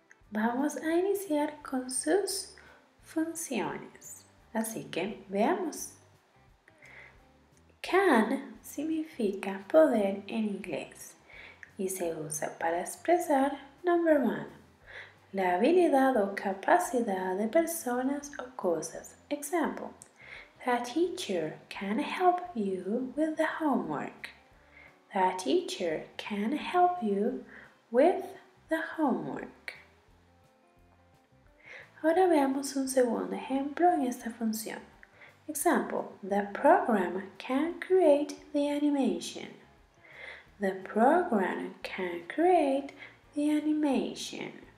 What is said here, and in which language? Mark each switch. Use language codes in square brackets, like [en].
[es] Vamos a iniciar con sus funciones, así que veamos. Can significa poder en inglés y se usa para expresar, [en] number one, [es] la habilidad o capacidad de personas o cosas. [en] Example: the teacher can help you with the homework. The teacher can help you with the homework. [es] Ahora veamos un segundo ejemplo en esta función. [en] Example: the program can create the animation. The program can create the animation.